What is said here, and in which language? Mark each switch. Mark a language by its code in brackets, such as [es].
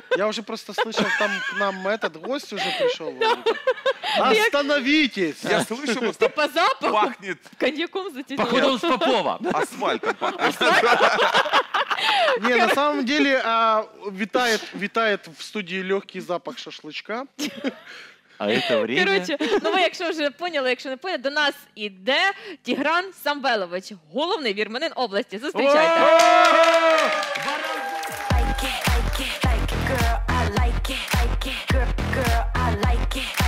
[ru] Я уже просто слышал, там к нам этот гость уже пришел. Остановитесь! Я слышу, что типа запах пахнет коньяком затянет. Походу, он с Попова. Асфальтом пахнет. Не, на самом деле, витает в студии легкий запах шашлычка. А это время... [uk] Короче, ну ви, якщо вже поняли, якщо не поняли, до нас іде Тігран Самвелович, головний вірменин області. Зустрічайте! [en] Like it, like it, like it, girl, I like it, like it, girl, I like it.